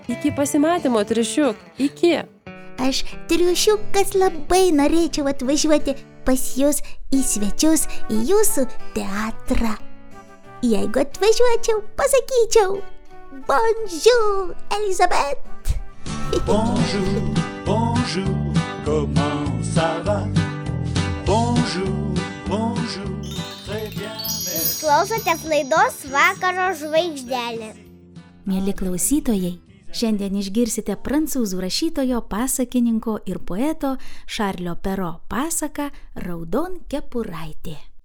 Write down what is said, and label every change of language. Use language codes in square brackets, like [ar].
[lt] Iki pasimatymo, triušiuk. Iki. Aš, triušiukas, labai norėčiau atvažiuoti pas jūs į svečius, į jūsų teatrą. Jeigu atvažiuočiau, pasakyčiau [fr] bonjour, [lt] Elisabeth. [fr] Bonjour, bonjour, comment ça va? Bonjour, bonjour, très bien. [lt] Jūs klausotės laidos Vakaro žvaigždėlė. Mėly klausytojai, šiandien išgirsite prancūzų rašytojo, pasakininko ir poeto Šarlio Pero pasaką Raudon kepuraitė.